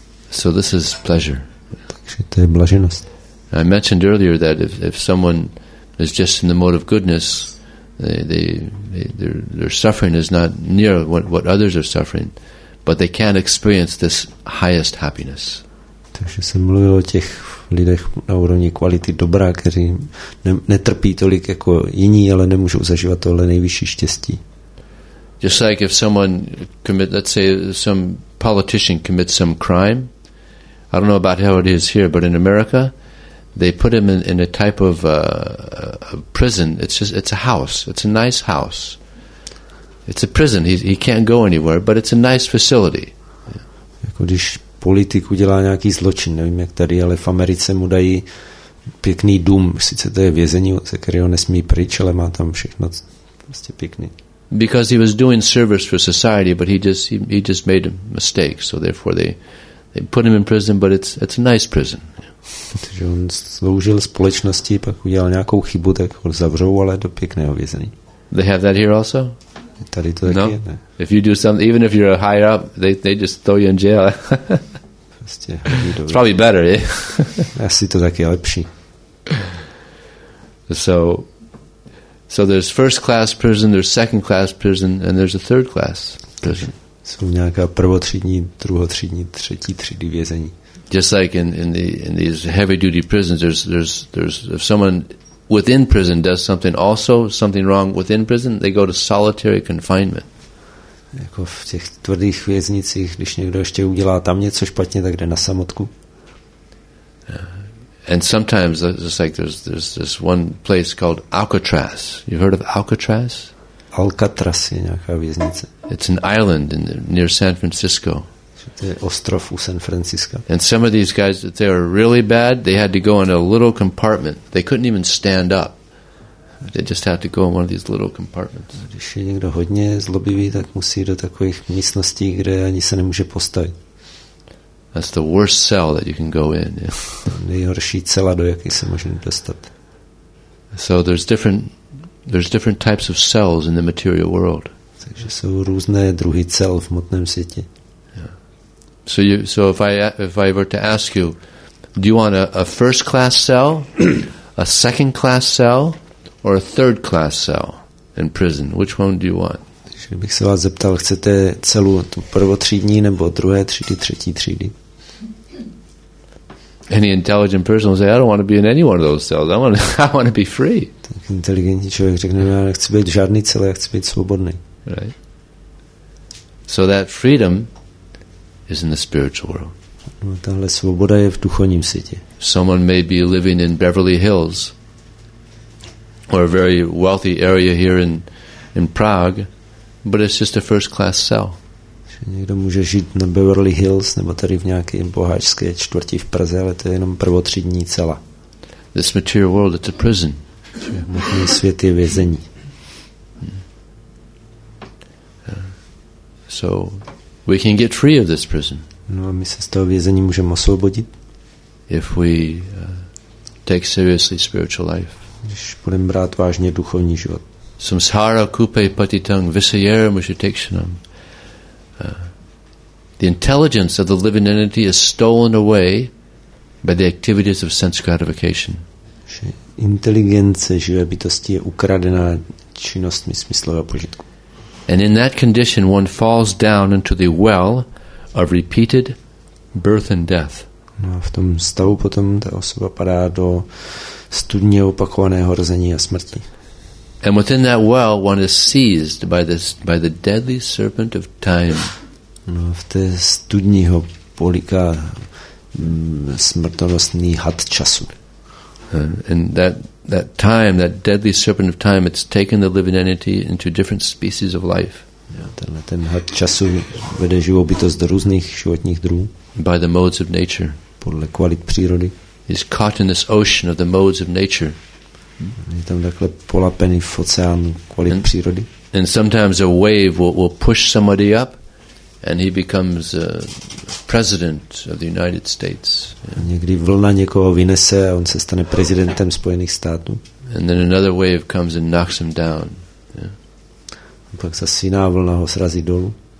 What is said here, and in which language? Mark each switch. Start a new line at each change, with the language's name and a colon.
English: So this is pleasure.
Czech: Takže to je blaženost.
English: I mentioned earlier that if someone is just in the mode of goodness, their suffering is not near what others are suffering, but they can't experience this highest happiness.
Czech: Takže se mluví o těch lidech na úrovni kvality dobra, kteří netrpí tolik jako jiní, ale nemůžou zažívat tohle nejvyšší štěstí.
English: Just like if someone commit, let's say some politician commits some crime, I don't know about how it is here, but in America, they put him in a type of a prison. It's a house. It's a nice house. It's a prison. He can't go anywhere, but it's a nice facility.
Czech: Jako když politik udělá nějaký zločin, nevím jak tady, ale v Americe mu dají pěkný dům. Sice to je vězení, ze kterého nesmí pryč, ale má tam všechno prostě pěkný.
English: Because he was doing service for society, but he just made a mistake. So therefore they put him in prison, but it's a nice prison.
Czech: Protože on sloužil společnosti, pak udělal nějakou chybu, tak ho zavřou, ale do pěkného vězení.
English: They have that here also?
Czech: Tady to taky no. Je, ne?
English: If you do something, even if you're higher up, they just throw you in jail.
Czech: Prostě,
English: it's probably better, yeah?
Czech: Asi to taky je lepší.
English: So there's first class prison, there's second class prison, and there's a third class prison.
Czech: Jsou nějaká prvotřídní, druhotřídní, třetí třídy vězení.
English: Just like in these heavy duty prisons, there's if someone within prison does something also something wrong within prison, they go to solitary confinement.
Czech: jako v těch tvrdých věznicích, když někdo ještě udělá tam něco špatně, tak jde na samotku.
English: And sometimes just like there's this one place called Alcatraz. You heard of Alcatraz?
Czech: Alcatraz je nějaká věznice.
English: It's an island in the, near San Francisco.
Czech: To je ostrov u San Francisco.
English: And some of these guys, they are really bad. They had to go in a little compartment. They couldn't even stand up. They just had to go in one of these little compartments.
Czech: Když je někdo hodně zlobivý, tak musí do takových místností, kde ani se nemůže postavit.
English: That's the worst cell that you can go in.
Czech: Nejhorší cela, do jaké se možná dostat.
English: So there's different types of cells in the material world.
Czech: Takže jsou různé druhy cel v hmotném světě.
English: So if I were to ask you, do you want a first class cell, a second class cell, or a third class cell in prison? Which one do you want?
Czech: Takže bych se vás zeptal, chcete celu tu prvotřídní nebo druhé třídy, třetí třídy?
English: Any intelligent person will say, I don't want to be in any one of those cells. I want to be free.
Czech: Tak inteligentní člověk řekne, já nechci být v žádný cele, já chci být svobodný.
English: Right. So that freedom is in the spiritual world.
Czech: No, tahle svoboda je v duchovním světě.
English: Someone may be living in Beverly Hills or a very wealthy area here in Prague, but it's just a first class cell.
Czech: Někdo může žít na Beverly Hills nebo tady v nějaké boháčské čtvrti v Praze, ale to je jenom prvotřídní cela.
English: This material world is a prison.
Czech: Hmotný svět je vězení.
English: So we can get free of this prison.
Czech: No, my se z toho vězení můžeme osvobodit.
English: If we take seriously spiritual life.
Czech: Když budeme brát vážně duchovní život.
Sanskrit: Samsara kupe patitang visayera mushitikshanam.
English: The intelligence of the living entity is stolen away by the activities of sense gratification.
Czech: Inteligence živé bytosti je ukradená činnostmi smyslového požitku.
English: And in that condition one falls down into the well of repeated birth and death.
Czech: No a v tom stavu potom ta osoba padá do studně opakovaného rození a smrti.
English: And within that well one is seized by the deadly serpent of time.
Czech: No a v té studni ho políká smrtonosný had času.
English: And that time, that deadly serpent of time, it's taken the living entity into different species of life.
Czech: Ten had času vede živou bytost do různých životních druhů.
English: By the modes of nature.
Czech: Podle kvalit přírody.
English: He's caught in this ocean of the modes of nature.
Czech: Je tam takhle polapený v oceánu kvalit přírody.
English: And sometimes a wave will push somebody up and he becomes president of the United States.
Czech: Někdy vlna někoho vynese a on se stane prezidentem Spojených států.
English: And then another wave comes and knocks him down.
Czech: A pak zase jiná vlna ho srazí dolů.